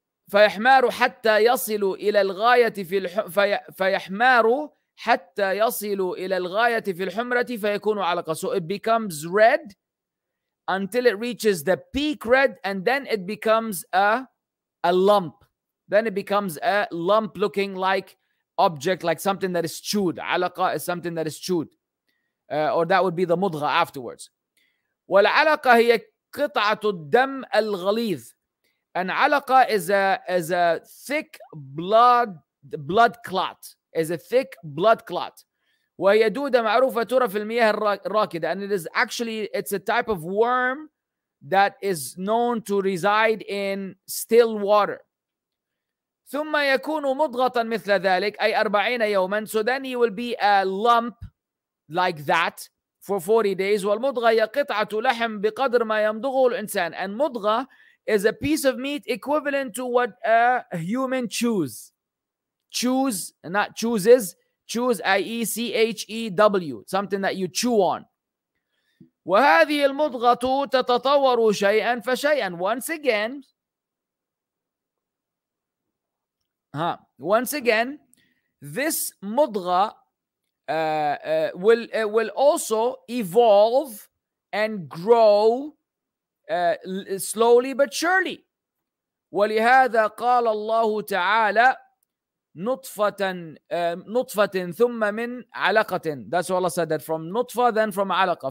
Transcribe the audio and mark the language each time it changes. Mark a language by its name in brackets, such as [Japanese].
[Arabic] فيحمار حتى يصل إلى الغاية في فيحمار حتى يصل إلى الغاية في الحمرة فيكون علقة. [English] So it becomes red until it reaches the peak red, and then it becomes a lump. Then it becomes a lump looking like object, like something that is chewed. علقة is something that is chewed. Or that would be the مضغة afterwards. [Arabic] والعلقة هي قطعة الدم الغليظ. [English] An alaqa is a thick blood clot. Is a thick blood clot. [Arabic] وهي دودة معروفة ترى في المياه الراكدة. [English] And it is actually, it's a type of worm that is known to reside in still water. [Arabic] ثم يكون مضغة مثل ذلك أي 40 يوما. [English] So then he will be a lump like that for 40 days. [Arabic] والمضغة هي قطعة لحم بقدر ما يمضغه الإنسان. [English] And مضغة is a piece of meat equivalent to what a human chews, i.e. C-H-E-W, something that you chew on. [Arabic] وهذه المضغة تتطور شيئا فشيئا. [English] Once again, this مضغة will also evolve and grow slowly but surely. [Arabic] ولهذا قال الله تعالى نطفة ثم من علقة. [English] That's what Allah said, that from نطفة then from علقة.